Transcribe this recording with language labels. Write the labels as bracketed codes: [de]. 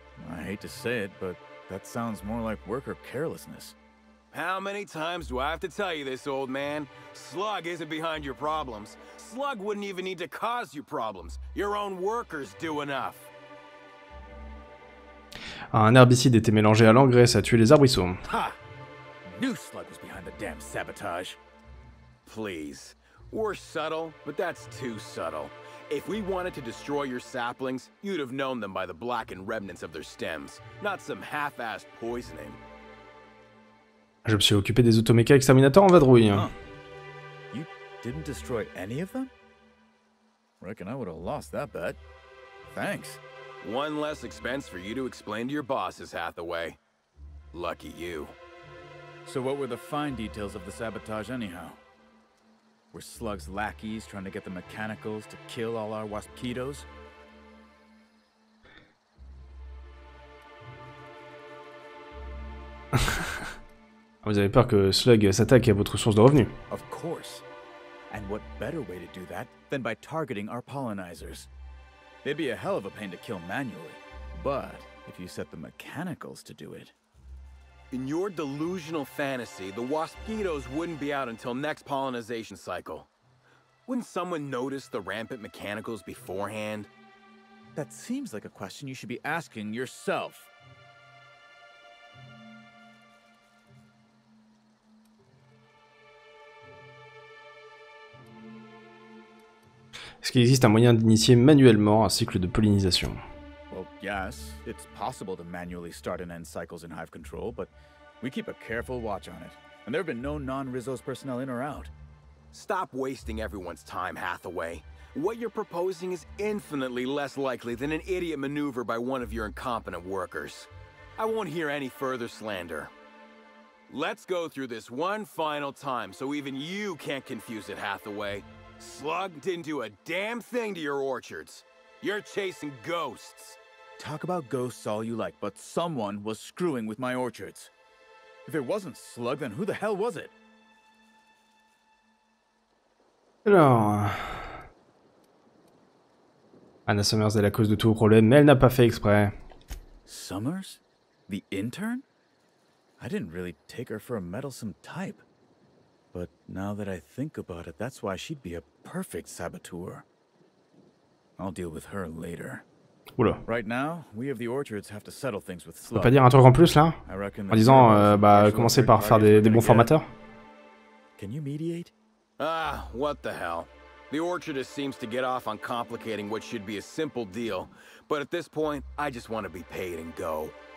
[en] I hate to say it, but that sounds more like worker carelessness. How many times do I have to tell you this, old man? Slug isn't behind your problems. Slug wouldn't even need to cause you problems. Your own workers do enough. [fr] Un herbicide était mélangé à l'engrais, ça a tué les arbrisseaux. [en] Ha! New Slug is behind the damn sabotage. Please. We're subtle, but that's too subtle. If we wanted to destroy your saplings, you'd have known them by the blackened remnants of their stems, not some half-assed poisoning. Je me suis occupé des automécas exterminateurs en vadrouille. You didn't destroy any of them? Reckon I would have lost that bet. Thanks. One less expense for you to explain to your bosses, Hathaway. Lucky you. So what were the fine details of the sabotage anyhow? Were Slug's lackeys trying to get the mechanicals to kill all our wasp-kitos? [fr] Vous avez peur que Slug s'attaque à votre source de revenus. [en] Of course. And what better way to do that than by targeting our pollinizers? They'd be a hell of a pain to kill manually, but if you set the mechanicals to do it, In your delusional fantasy, the Waspedos wouldn't be out until next pollinization cycle. Wouldn't someone notice the rampant mechanicals beforehand? That seems like a question you should be asking yourself. [fr] Est-ce qu'il existe un moyen d'initier manuellement un cycle de pollinisation? [en] Well, yes, it's possible to manually start and end cycles in Hive Control, but we keep a careful watch on it. And there have been no non-Rizzo's personnel in or out. Stop wasting everyone's time, Hathaway. What you're proposing is infinitely less likely than an idiot maneuver by one of your incompetent workers. I won't hear any further slander. Let's go through this one final time so even you can't confuse it, Hathaway. Slug didn't do a damn thing to your orchards. You're chasing ghosts. Talk about ghosts all you like, but someone was screwing with my orchards. If it wasn't Slug, then who the hell was it? [fr] Alors, Anna Summers est la cause de tout problème, mais elle n'a pas fait exprès. [en] Summers? The intern? I didn't really take her for a meddlesome type. But now that I think about it, that's why she'd be a perfect saboteur. I'll deal with her later. Oula. Right now, we of the orchards have to settle things with Slug. [fr] On peut pas dire un truc en plus là? En disant, commencer par faire des bons formateurs? [en] Can you mediate? Ah, what the hell. The orchardist seems to get off on complicating what should be a simple deal. But at this point, I just want to be paid and go.